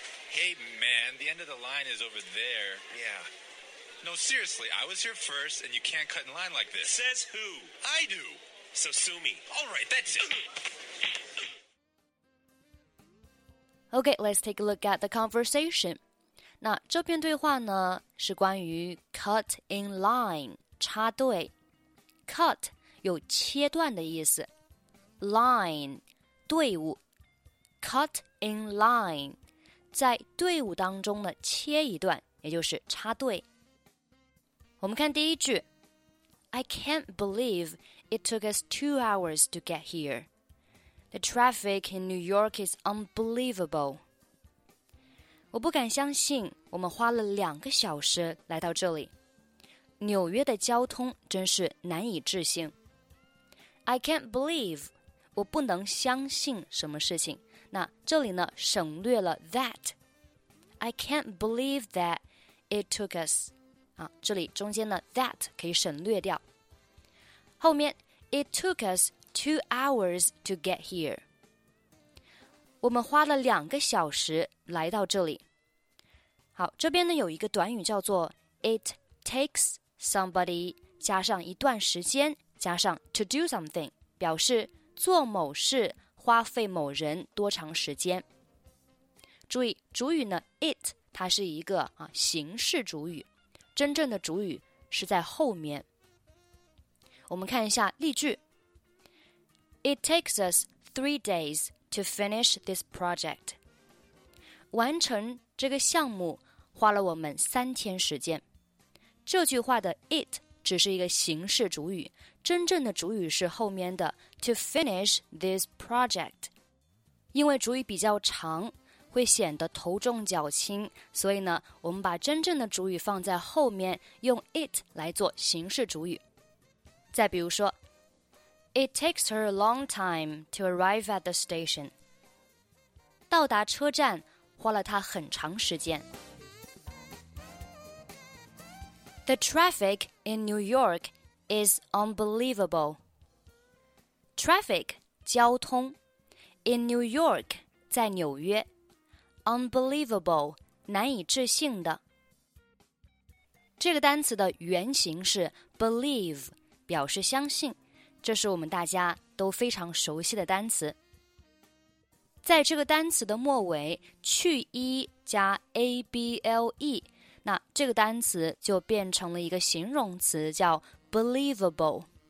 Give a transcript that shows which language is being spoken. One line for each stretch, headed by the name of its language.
English: Hey, man, the end of the line is over there. Yeah. No, seriously, I was here first and you can't cut in line like this. Says who? I do. So sue me. All right, that's it. Okay, let's take a look at the conversation.
Chinese: 那这篇对话呢是关于 cut in line, 插队。 Cut 有切断的意思。Line, 队伍。 Cut in line, 在队伍当中呢切一段也就是插队。我们看第一句。
English: I can't believe it took us 2 hours to get here. The traffic in New York is unbelievable.
Chinese: 我不敢相信我们花了两个小时来到这里。纽约的交通真是难以置信。
English: I can't believe,
Chinese: 我不能相信什么事情。那这里呢省略了 that.
English: I can't believe that it took us.
Chinese: 啊，这里中间的 that 可以省略掉。后面
English: it took us,2 hours to get here.
Chinese: 我们花了两个小时来到这里。好，这边呢有一个短语叫做
English: It takes somebody
Chinese: 加上一段时间加上
English: to do something
Chinese: 表示做某事花费某人多长时间。注意主语呢 It 它是一个、啊、形式主语，真正的主语是在后面。我们看一下例句。
English: It takes us 3 days to finish this project.
Chinese: 完成这个项目花了我们三天时间。这句话的 it 只是一个形式主语，真正的主语是后面的
English: to finish this project.
Chinese: 因为主语比较长，会显得头重脚轻，所以呢，我们把真正的主语放在后面，用 it 来做形式主语。再比如说
English: It takes her a long time to arrive at the station.
Chinese: 到达车站花了她很长时间。
English: The traffic in New York is unbelievable. Traffic, 交通。In New York,
Chinese: 在纽约。 Unbelievable, 难以置信的。这个单词的原型是 believe, 表示相信。这是我们大家都非常熟悉的单词。在这个单词的末尾，去一加 able, 那这个单词就变成了一个形容词叫 believable。